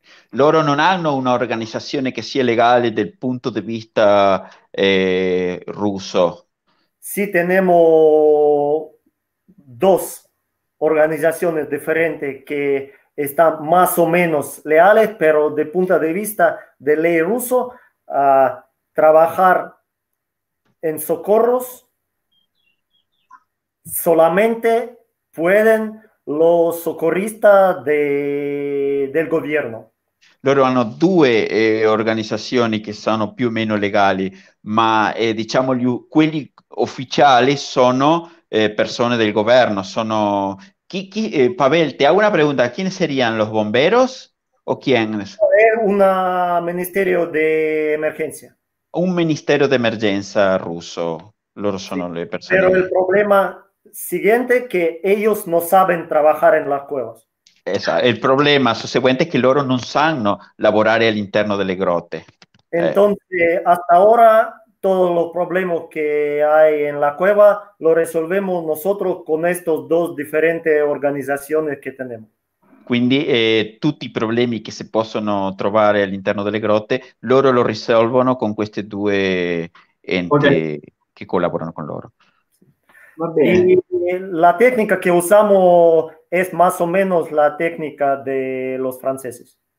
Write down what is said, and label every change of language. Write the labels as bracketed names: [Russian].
[Italian] Loro non hanno una organizzazione che sia legale dal punto di vista russo. [Spanish] Sí, tenemos dos organizaciones diferentes que está más o menos leales, pero de punto de vista de ley ruso, trabajar en socorros solamente pueden los socorristas del gobierno. [Italian] Loro hanno due organizzazioni che sono più o meno legali, ma diciamo quelli ufficiali sono persone del governo, sono... [Spanish] Pavel, te hago una pregunta. ¿Quién serían los bomberos o quién? Es un ministerio de emergencia. Un ministerio de emergencia ruso. Loro son las personas. Pero el problema siguiente es que ellos no saben trabajar en las cuevas. El problema subsecuente es que loro no saben trabajar al interno de las grotas. Entonces, hasta ahora, todos los problemas que hay en la cueva lo resolvemos nosotros con estas dos diferentes organizaciones que tenemos. [Italian] Quindi tutti i problemi che si possono trovare all'interno delle grotte, loro lo risolvono con queste due enti che collaborano con loro. Va bene. La tecnica che usiamo è [Spanish] más o menos la tecnica de los franceses.